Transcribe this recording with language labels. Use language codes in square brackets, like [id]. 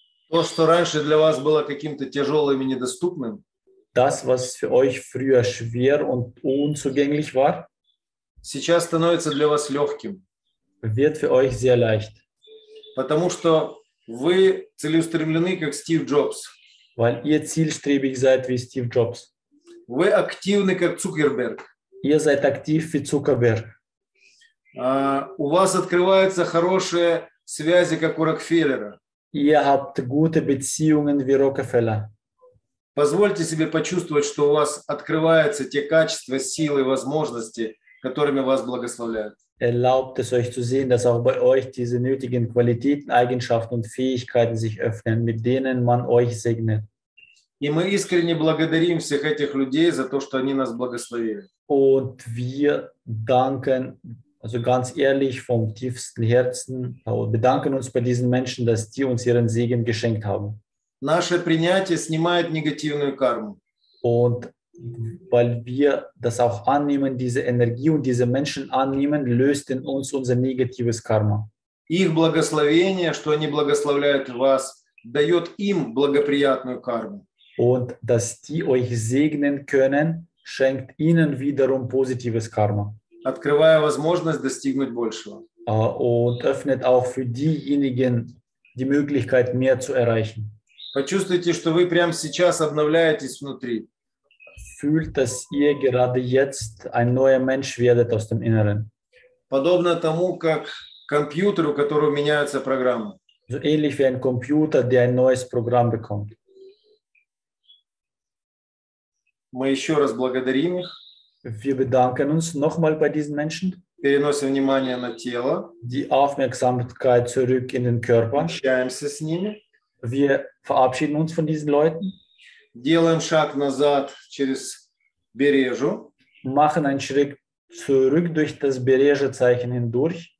[ru] То, что раньше для вас было каким-то тяжелым и недоступным. [de] Das, was für euch früher schwer und unzugänglich war. [ru] Сейчас становится для вас легким. [de] Wird für euch sehr leicht. [ru] Потому что вы целеустремлены, как Стив Джобс. [de] Weil ihr zielstrebig seid wie Steve Jobs. [ru] Вы активны, как Цукерберг. [de] Ihr seid aktiv wie Zuckerberg. [ru] У вас открываются хорошие связи, как у Рокфеллера. [de] Ihr habt gute Beziehungen wie Rockefeller. [ru] Позвольте себе почувствовать, что у вас открываются те качества, силы, возможности, которыми вас благословляют. [de] Erlaubt es euch zu sehen, dass auch bei euch diese nötigen Qualitäten, Eigenschaften und Fähigkeiten sich öffnen, mit denen man euch segnet. [ru] И мы искренне благодарим всех этих людей за то, что они нас благословили. [de] Und wir danken, also ganz ehrlich, vom tiefsten Herzen, bedanken uns bei diesen Menschen, dass die uns ihren Segen geschenkt haben. [ru] Наше принятие снимает негативную карму. [de] Und weil wir das auch annehmen, diese Energie und diese Menschen annehmen, löst in uns unser negatives Karma. [ru] Их благословение, что они благословляют вас, дает им благоприятную карму. [de] Und dass die euch segnen können, schenkt ihnen wiederum positives Karma. [ru] открывая возможность достигнуть большего. [de] Und öffnet auch für diejenigen die Möglichkeit, mehr zu erreichen. [ru] Почувствуйте, что вы прямо сейчас обновляетесь внутри. [de] Fühlt, dass ihr gerade jetzt ein neuer Mensch werdet aus dem Inneren. [ru] Подобно тому, как компьютер, у которого меняются программы. [de] So ähnlich wie ein Computer, der ein neues Programm bekommt. [ru] Мы еще раз благодарим их. [de] Wir bedanken uns nochmal bei diesen Menschen. [ru] Переносим внимание на тело. [de] Die Aufmerksamkeit zurück in den Körper. [ru] Общаемся с ними. [de] Wir verabschieden uns von diesen Leuten. [ru] Делаем шаг назад через бережу. [de] Machen einen Schritt zurück durch das Береже-Zeichen hindurch.